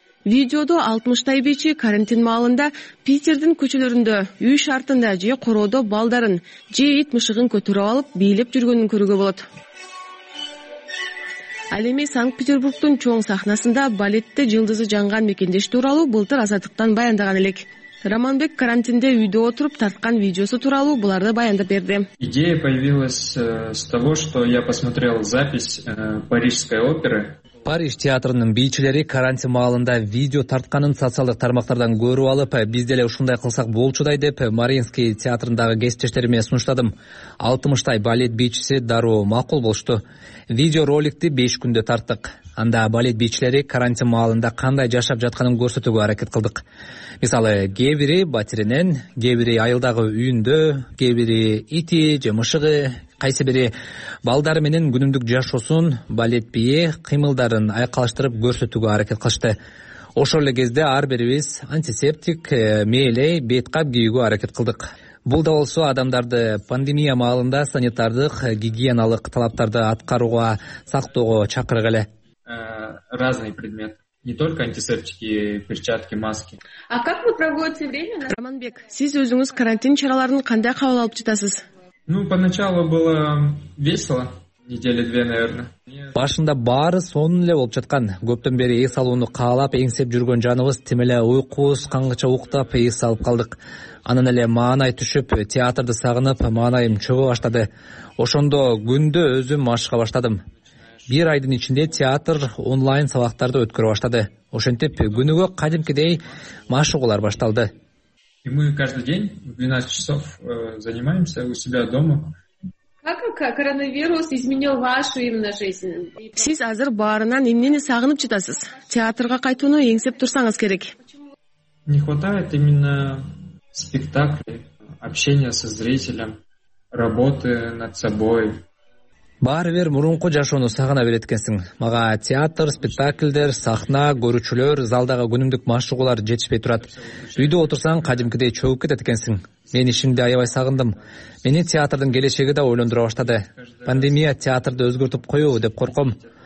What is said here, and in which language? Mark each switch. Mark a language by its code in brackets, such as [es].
[ky] Видеодо 60 бийчи карантин маалында Питердин көчөлөрүндө үй шартында же короодо балдарын же ит мышыгын көтөрүп алып бийлеп жүргөнүн көрүүгө болот. Ал эми Санкт-Петербургдун чоң сахнасында балетте жылдызы жанган мекендеш тууралуу былтыр Азаттыктан баяндаган элек. Раманбек карантинде үйдө отуруп тарткан видеосу тууралуу буларды баяндап берди. [ru] Идея появилась с того, что я посмотрел запись Парижской оперы. [ky] Париж театрынын бийчилери карантин маалында видео тартканын социалдык тармактардан көрүп алып, биз деле ушундай кылсак болчудай деп Мариинский театрындагы кесиптештериме сунуштадым. 60 балет бийчиси дароо макул болушту. Видео роликти 5 күндө тарттык. Анда балет бийчилери карантин маалында кандай жашап жатканын көрсөтүүгө аракет кылдык. Мисалы, кээ бири батиринен, кээ бири айылдагы үйүндө, кээ бири ити же мышыгы, кайсы бири балдары менен күнүмдүк жашоосун, балет бийи кыймылдарын айкалыштырып көрсөтүүгө аракет кылышты. Ошол эле кезде ар бирибиз антисептик, мээлей, бет кап кийүүгө аракет кылдык. Бул да болсо адамдарды пандемия маалында санитардык, гигиеналык талаптарды аткарууга, сактоого чакырык эле. [ru] Разный предмет. Не только антисептики, перчатки, маски. А как вы проводите время? [ky] Раманбек, сиз өзүңүз карантин чараларын кандай кабыл алып жатасыз? [ru] Ну, поначалу было весело. Недели две, наверное. [ky] Башында баары сонун эле болуп жаткан. Көптөн бери эс алууну каалап, эңсеп жүргөн жаныбыз, тим эле уйкус, каңгыча уктап, эс алып калдык. Анан эле маанай түшүп, театрды сагынып, маанайым чөгө баштады. Ошондо күндө өзүм машыга баштадым. Бир айдын ичинде театр онлайн сабактарды өткөрө баштады. Ошентип күнүгө кадимкидей машыгуулар башталды. [ru] И мы каждый день в 12 часов занимаемся у себя дома. Как коронавирус изменил вашу именно жизнь? [ky] Сиз азыр баарынан эмнени сагынып жатасыз? Театрга кайтууну эңсеп турсаңыз керек. [ru] Не хватает именно спектакли, общение со зрителем, работы над собой. [ky] Баарыбир мурунку жашоону сагына берет экенсиң. Мага театр, спектакльдер, сахна, көрүүчүлөр, залдагы күнүмдүк машыгуулар жетишпей турат. Үйдө отурсаң кадимкидей чөгүп кетет экенсиң. Мен ишимди аябай сагындым. Мени театрдын келечеги да ойлондура баштады. Пандемия театрды өзгөртүп коёбу деп корком.